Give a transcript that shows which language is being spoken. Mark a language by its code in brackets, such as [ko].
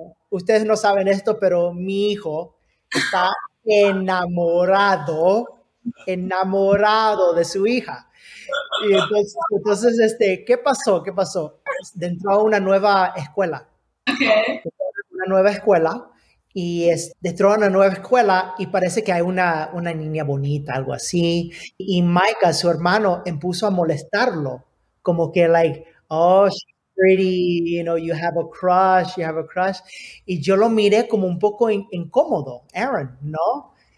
[es] Ustedes no saben esto, pero mi hijo está enamorado de su hija. Y entonces ¿qué pasó? Entró a una nueva escuela. [en] Okay. [es] Una nueva escuela y entró a una nueva escuela y parece que hay una niña bonita, algo así. Y Micah, su hermano, empezó a molestarlo. Como que, [en] like, oh, she's pretty, you know, you have a crush. [es] Y yo lo miré como un poco incómodo, Aaron, ¿no?